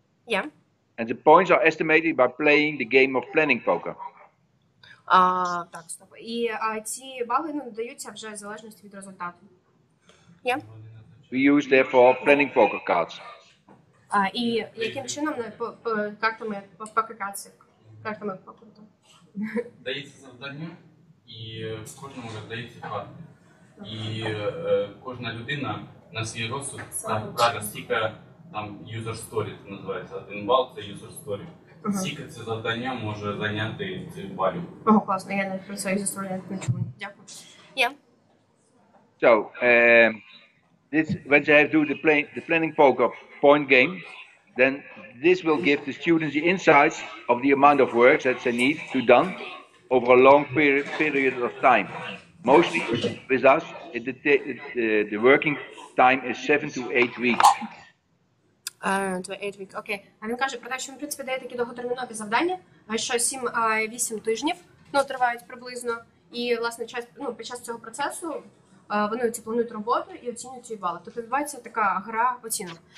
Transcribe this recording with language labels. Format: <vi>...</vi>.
<en>Yeah. And the points are estimated by playing the game of planning poker.</en> <uk>Так, стоп. І ці бали, ну, даються вже в залежності від результату.</uk> <en>Yeah. We use therefore planning poker cards.</en> <uk>І яким чином картами poker cards? Картами poker. Дається завдання, і кожному дається карта. І кожна людина на свій розсуд каже, скільки там user story це називається. Один бал це user story. Скільки це завдання може зайняти цей балю. О, класно, я навіть про це user story не чую. Дякую.</uk> <en>Yeah. So, this when they have to do the planning poker point game, then this will give the students the insights of the amount of work that they need to done over a long period of time. Mostly with us, the working time is 7 to 8 weeks. 2-8 weeks, окей.</en> <uk>Okay. А він каже про те, що він, в принципі, дає такі довготермінові завдання, що 7-8 тижнів, ну, тривають приблизно. І, власне, час, ну, під час цього процесу вони оці планують роботу і оцінюють її бали. Тобто відбувається така гра оцінок.</uk>